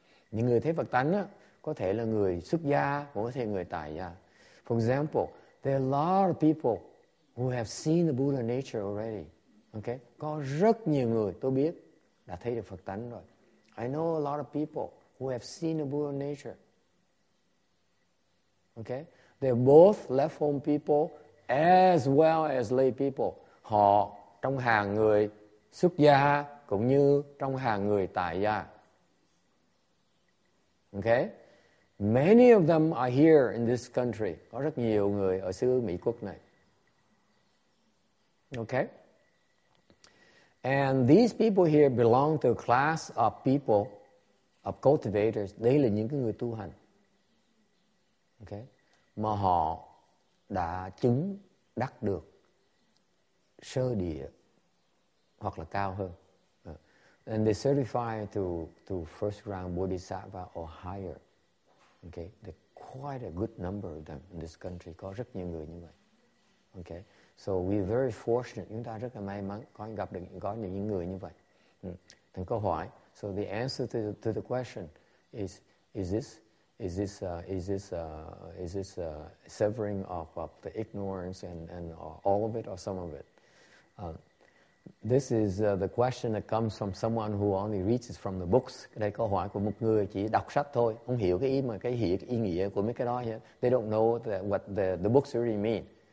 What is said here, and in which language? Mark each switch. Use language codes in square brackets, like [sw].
[vi] Những người thấy Phật tánh có thể là người xuất gia, cũng có thể người tại gia. [en] For example, there are a lot of people who have seen the Buddha nature already. Okay? [vi] Có rất nhiều người tôi biết đã thấy được Phật tánh rồi. [en] I know a lot of people who have seen the Buddha nature. Okay? They're both left home people as well as lay people. [vi] Họ trong hàng người xuất gia cũng như trong hàng người tại gia. [en] Okay? Many of them are here in this country. [vi] Có rất nhiều người ở xứ Mỹ quốc này. [en] Okay? And these people here belong to a class of people, of cultivators. [vi] Đây là những cái người tu hành. Okay? Mà họ đã chứng đắc được sơ địa hoặc là cao hơn. [en] And they certify to first round Bodhisattva or higher. Okay, there are quite a good number of them in this country. [vi] Có rất nhiều người như vậy. [en] Okay, so we're very fortunate. [vi] Chúng ta rất là may mắn có gặp được có những người như vậy. Thành câu hỏi. [en] So the answer to the question is this severing of the ignorance and all of it or some of it? This is the question that comes from someone who only reads from the books. [vi] Đây câu hỏi của một người chỉ đọc sách thôi, không hiểu cái ý mà cái hiểu ý nghĩa của mấy cái đó. [en] They don't know what the books really mean.